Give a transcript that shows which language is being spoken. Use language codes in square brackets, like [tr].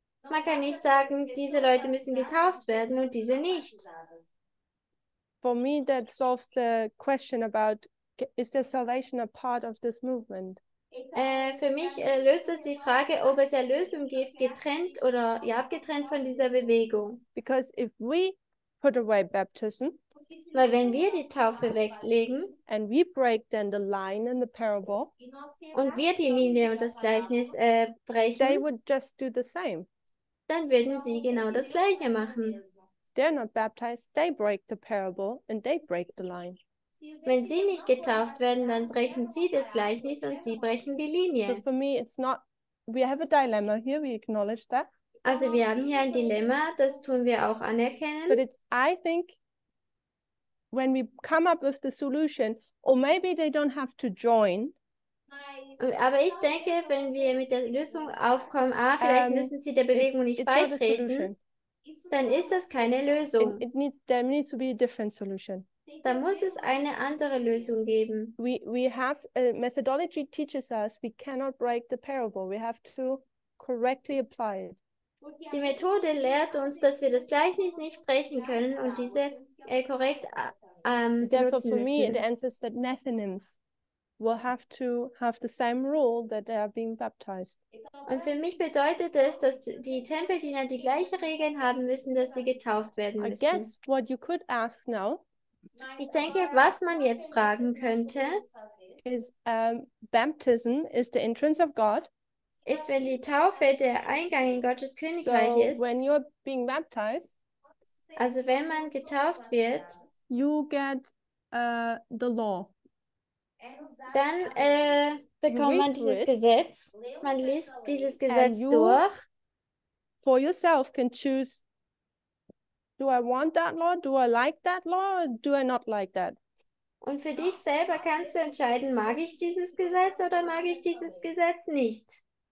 [de] Man kann nicht sagen, diese Leute müssen getauft werden und diese nicht. [en] For me, that solves the question about, is there salvation a part of this movement? [de] Für mich löst das die Frage, ob es Erlösung gibt, getrennt oder ja, abgetrennt von dieser Bewegung. [en] Because if we put away baptism, [de] weil wenn wir die Taufe weglegen, [en] and we break then the line in the parable, [de] und wir die Linie und das Gleichnis brechen, [en] they would just do the same. [de] Dann würden sie genau das Gleiche machen. [en] They're not baptized, they break the parable and they break the line. [de] Wenn sie nicht getauft werden, dann brechen sie das Gleichnis und sie brechen die Linie. [en] So for me it's not, we have a dilemma here, we acknowledge that. [de] Also wir haben hier ein Dilemma, das tun wir auch anerkennen. [en] But it's, I think, when we come up with the solution, or maybe they don't have to join. [de] Aber ich denke, wenn wir mit der Lösung aufkommen, vielleicht müssen sie der Bewegung nicht beitreten, dann ist das keine Lösung. [en] There needs to be a different solution. [de] Dann muss es eine andere Lösung geben. [en] Methodology teaches us, we cannot break the parable. We have to correctly apply it. [de] Die Methode lehrt uns, dass wir das Gleichnis nicht brechen können und diese korrekt benutzen müssen. [en] Therefore, for me, it answers that nathanims will have to have the same rule that they are being baptized. [de] Und für mich bedeutet das, dass die Tempeldiener die gleiche Regeln haben müssen, dass sie getauft werden müssen. [en] I guess what you could ask now, [de] Ich denke, was man jetzt fragen könnte, ist [en] baptism is the entrance of God. [de] Ist, wenn die Taufe der Eingang in Gottes Königreich ist. [en] So when you're being baptized, [de] also wenn man getauft wird, [en] you get the law. [de] Dann bekommt man dieses Gesetz. Man liest dieses Gesetz durch. [en] For yourself can choose, do I want that law? Do I like that law? Or do I not like that? [de] Und für dich selber kannst du entscheiden, mag ich dieses Gesetz oder mag ich dieses Gesetz nicht?